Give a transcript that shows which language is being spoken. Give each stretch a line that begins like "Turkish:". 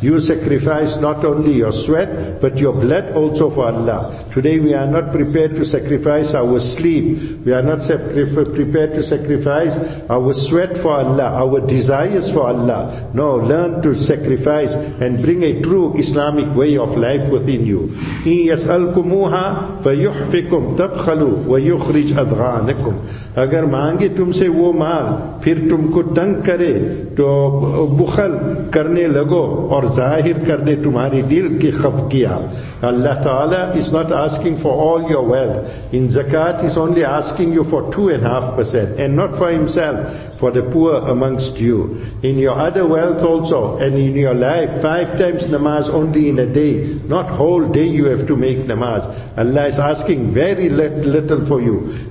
English: You sacrifice not only your sweat, but your blood also for Allah. Today we are not prepared to sacrifice our sleep. We are not prepared to sacrifice our sweat for Allah, our desires for Allah. No, learn to sacrifice and bring a true Islamic way of life within you.
Arabic: إِن يَسْأَلْكُمُوهَا فَيُحْفِكُمْ تَبْخَلُوا وَيُخْرِجْ أَذْغَانَكُمْ,
Urdu: اگر مانگے تم سے وہ مال پھر تم کو تنگ کرے تو بخل کرنے لگو اور ظاہر کر دے تمہاری دل کی خفقیہ.
English: Allah Ta'ala is not asking for all your wealth. In zakat, he's only asking you for 2.5% and not for himself, for the poor amongst you. In your other wealth also, and in your life, 5 times namaz only in a day. Not whole day you have to make namaz. Allah is asking very little for you.